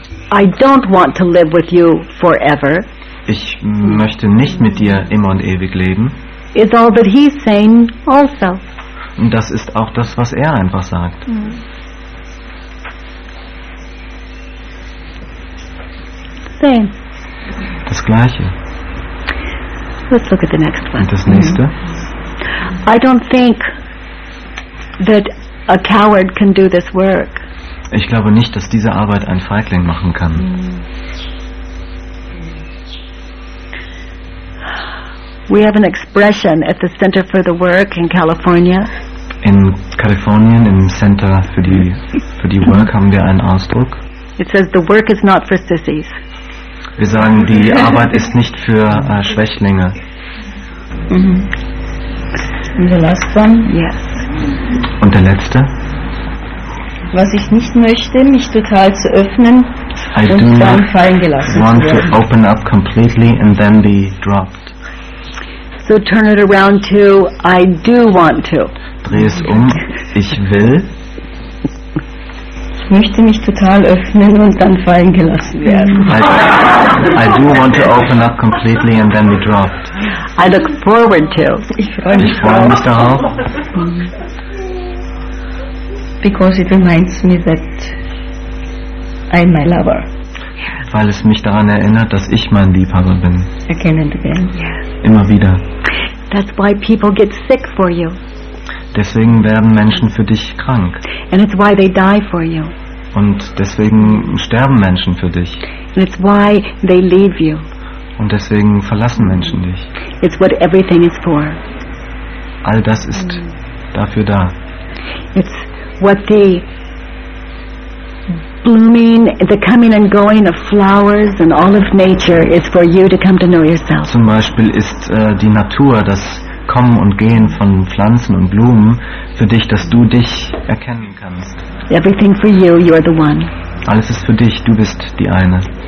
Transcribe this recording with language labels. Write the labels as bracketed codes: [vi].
[en] I don't want to live with you forever. [de] Ich möchte nicht mit dir immer und ewig leben. [en] Is all that he's saying also. [de] Und das ist auch das, was einfach sagt. [en] Same. [de] Das Gleiche. [en] Let's look at the next one. [de] Und das nächste. [en] I don't think that a coward can do this work. [de] Ich glaube nicht, dass diese Arbeit ein Feigling machen kann. [en] We have an expression at the Center for the Work in California. [de] In Kalifornien, im Center für die Work, haben wir einen Ausdruck. [en] It says the work is not for sissies. [de] Wir sagen, die Arbeit ist nicht für Schwächlinge. [en] And the last one? Yes. [de] Und der letzte? Was ich nicht möchte, mich total zu öffnen [en] I [de] und dann fallen gelassen zu werden. [en] I do not want to open up completely and then be dropped. So turn it around to I do want to. [de] Dreh es um, ich will. Ich möchte mich total öffnen und dann fallen gelassen werden. [en] I do want to open up completely and then be dropped. I look forward to. [de] Ich freue mich darauf. [en] Because it reminds me that I'm my lover. [de] Weil es mich daran erinnert, dass ich mein Liebhaber bin. [en] Again and again. Yes. [de] Immer wieder. [en] That's why people get sick for you. [de] Deswegen werden Menschen für dich krank. [en] And it's why they die for you. [de] Und deswegen sterben Menschen für dich. [en] And it's why they leave you. [de] Und deswegen verlassen Menschen dich. [en] It's what everything is for. [de] All das ist dafür da. [en] It's what the blooming, the coming and going of flowers and all of nature is for you to come to know yourself. [de] Zum Beispiel ist die Natur, das Kommen und Gehen von Pflanzen und Blumen, für dich, dass du dich erkennen kannst. [en] Everything for you, you are the one. [de] Alles ist für dich, du bist die eine.